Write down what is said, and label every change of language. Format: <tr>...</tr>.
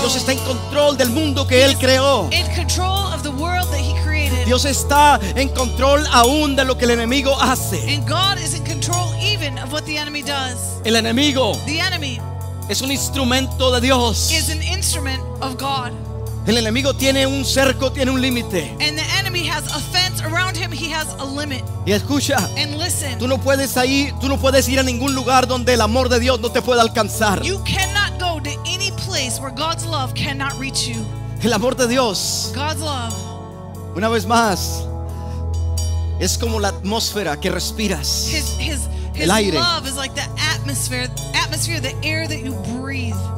<es>Dios está en control del mundo que Él creó.</es> <en>In control of the world that He created.</en> <es>Dios está en control aún de lo que el enemigo hace.</es> <en>And God is in control even of what the enemy does.</en> <es>El enemigo.</es> <en>The enemy.</en> <es>Es un instrumento de Dios.</es> <en>Is an instrument of God.</en> <es>El enemigo tiene un cerco, tiene un límite.</es> <en>And the enemy has a fence around him, he has a limit.</en> <es>Y escucha.</es> <en>And listen.</en> <es>Tú no puedes ir a ningún lugar donde el amor de Dios no te pueda alcanzar.</es> <en>You cannot go to any place where God's love cannot reach you.</en> <es>El amor de Dios.</es> <en>God's love.</en> <es>Una vez más. Es como la atmósfera que respiras. El aire.</es> <en>His love is like the atmosphere, the air that you breathe.</en>